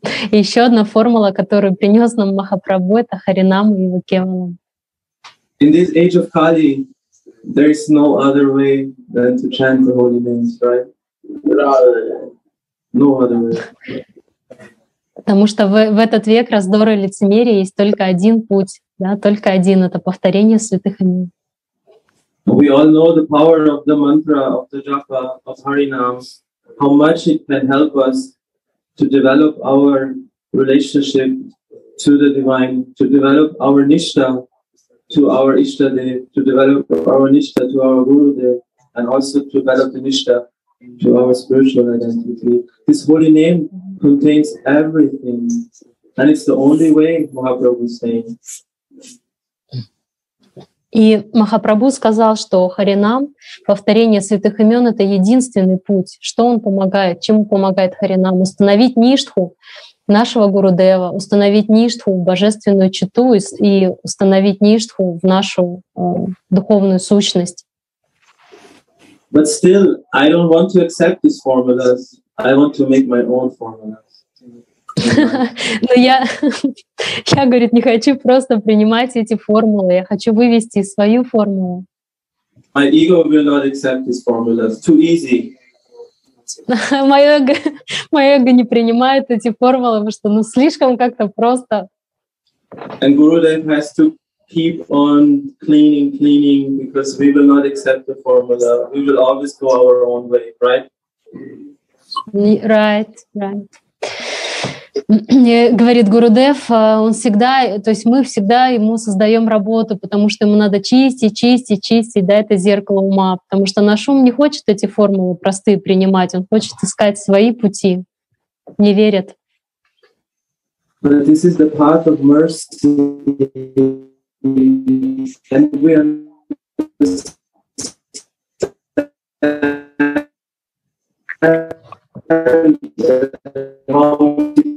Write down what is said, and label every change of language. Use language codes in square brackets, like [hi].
[ru] Еще одна формула, которую принес нам Махапрабху, это Харинам и его кевалам. [en] In this age of Kali, there is no other way than to chant the holy names, right? No other way. [ru] Потому что в этот век раздора и лицемерия есть только один путь, да, только один — это повторение святых имен. [en] We all know the power of the mantra, of the japa, of Harinam, how much it can help us to develop our relationship to the divine, to develop our nishtha to our ishtadev, to develop our nishtha to our gurudev, and also to develop the nishtha to our spiritual identity. This holy name contains everything, and it's the only way, Mahaprabhu is saying. [ru] И Махапрабху сказал, что Харинам, повторение святых имен, это единственный путь. Что он помогает? Чему помогает Харинам? Установить ништху нашего Гурудева, установить ништху в божественную читу и установить ништху в нашу духовную сущность. [en] But still, I don't want to accept these formulas. I want to make my own formulas. [ru] Ну, я, говорит, не хочу просто принимать эти формулы. Я хочу вывести свою формулу. [en] My ego will not accept this formula. It's too easy. [ru] Мое эго не принимает эти формулы, потому что, ну, слишком как-то просто. [en] And Gurudev has to keep on cleaning, because we will not accept the formula. We will always go our own way, right? Right. [ru] Говорит Гурудев, он всегда, то есть мы всегда ему создаем работу, потому что ему надо чистить, да, это зеркало ума, потому что наш ум не хочет эти формулы простые принимать, он хочет искать свои пути, не верит. [en] But this is the path of mercy, and we are...